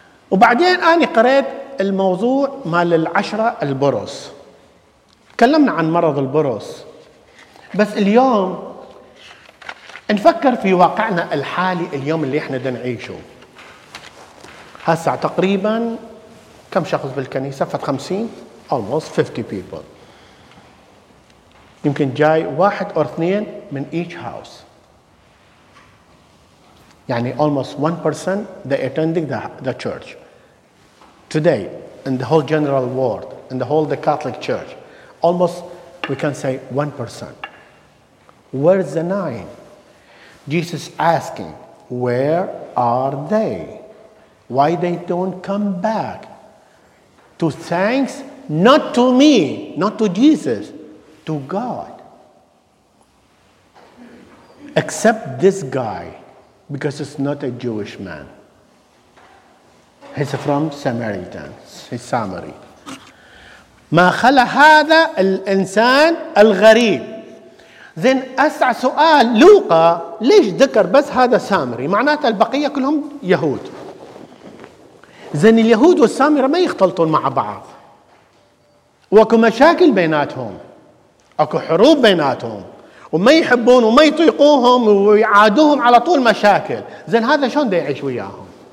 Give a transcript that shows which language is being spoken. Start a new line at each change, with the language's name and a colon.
Arabic: وبعدين أنا قريت الموضوع مال العشرة البرص تكلمنا عن مرض البرص بس اليوم نفكر في واقعنا الحالي اليوم اللي احنا دا نعيشه هسا تقريبا كم شخص بالكنيسة فت 50
English: almost 50 people
Arabic: يمكن جاي واحد أو اثنين من
English: each house يعني almost 1% they attending the church today in the whole general world in the whole the Catholic church almost we can say 1%. Where's the nine? Jesus asking, where are they? Why they don't come back? To thanks, not to me, not to Jesus, to God. Except this guy, because he's not a Jewish man. He's from Samaritan, he's Samari.
Arabic: ما خلى هذا الإنسان الغريب. زين أسعى سؤال لوقا ليش ذكر بس هذا سامري معناته البقية كلهم يهود زين اليهود والسامري ما يختلطون مع بعض وأكو مشاكل بيناتهم أكو حروب بيناتهم وما يحبون وما يطيقوهم ويعادوهم على طول مشاكل زين هذا شون دي يعيش وياهم